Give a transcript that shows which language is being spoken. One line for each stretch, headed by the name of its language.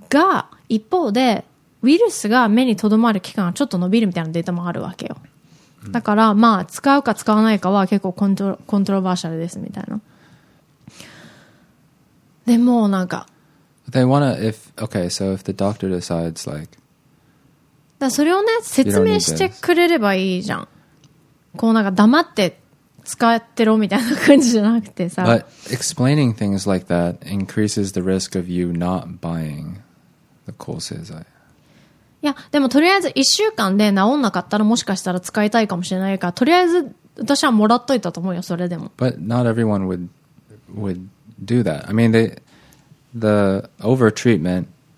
Japanese: が一方でウイルスが目にとどまる期間はちょっと伸びるみたいなデータもあるわけよ、うん、だからまあ使うか使わないかは結構コントロバーシャルですみたいな。でもなんか
English: They wanna, if, okay, so if the doctor decides, like,
Japanese: だそれをね説明してくれればいいじゃん。こうなんか黙って使ってろみたいな感じじゃなくてさ。
English: But explaining things like that increases the risk of you not buying the 抗生剤。
Japanese: いや、でもとりあえず1週間で治んなかったらもしかしたら使いたいかもしれないから、とりあえず私はもらっといたと思うよ、それでも。
English: But not everyone would do that. I mean, the over treatment